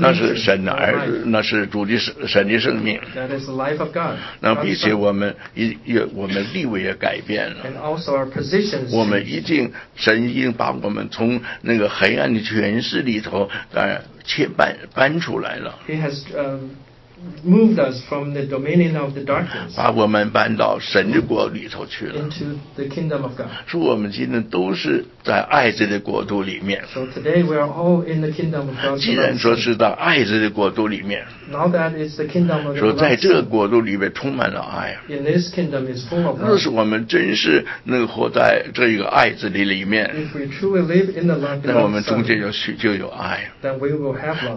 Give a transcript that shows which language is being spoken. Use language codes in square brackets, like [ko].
[zh] 那是神的儿子，那是主的神的生命 [en] That is the life of God. [zh] 那并且我们地位也改变了 [en] And also our positions. [zh] 我们一定神一定把我们从那个黑暗权势里头搬出来了 [en] He has moved us from the dominion of the darkness [zh] 把我们搬到神的国里头去了 [en] into the kingdom of God [zh] 说我们今天都是在爱子的国度里面 [en] So today we are all in the kingdom of God [zh] 既然说是在爱子的国度里面 [en] Now that is the kingdom of God [zh] 说在这个国度里面充满了爱 [en] In this kingdom is full of love [zh] 若是我们真是能活在这一个爱子的里面 [en] If we truly live in the love of God [zh] 那我们中间就有爱 [en] Then we will have love